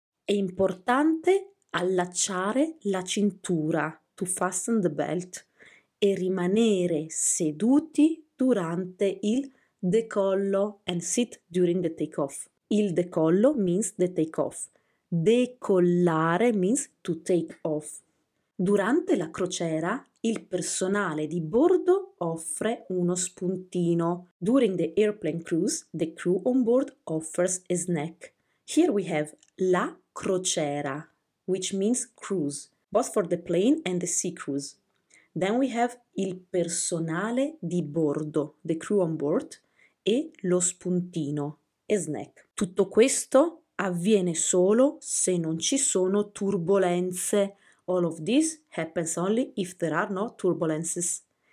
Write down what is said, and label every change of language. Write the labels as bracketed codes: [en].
[it] È importante allacciare la cintura, [en] to fasten the belt, [it] e rimanere seduti durante il decollo, [en] and sit during the takeoff. Il decollo means the takeoff. Decollare means to take off. [it] Durante la crociera, il personale di bordo offre uno spuntino. [en] During the airplane cruise, the crew on board offers a snack. Here we have la crociera, which means cruise, both for the plane and the sea cruise. Then we have il personale di bordo, the crew on board, e lo spuntino, a snack. [it] Tutto questo avviene solo se non ci sono turbulenze. [en] All of this happens only if there are no turbulences.